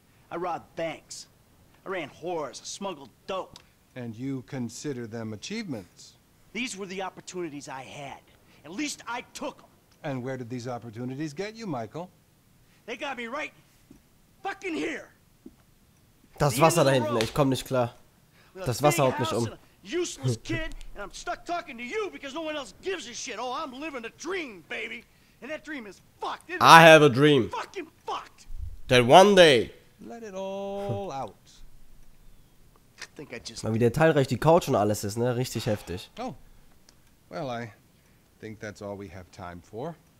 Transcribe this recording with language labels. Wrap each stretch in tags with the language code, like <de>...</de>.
<en>I robbed banks. I ran whores. I smuggled dope. And you consider them achievements? These were the opportunities I had. At least I took them. And where did these opportunities get you, Michael? They got me right fucking here.</en> <de>Das Wasser da hinten, ich komm nicht klar. Das Wasser haut mich um.</de> <en>Useless kid, and I'm stuck talking to you because no one else gives a shit. Oh, I'm living a dream, baby. And that dream is fucked. I have a dream. Fucking fucked. That one day. Let it all out.</en> <de>Mal wie der teilreich die Couch und alles ist, ne? Richtig heftig. Oh.</de> <en>Well, I think that's all we have time for.</en>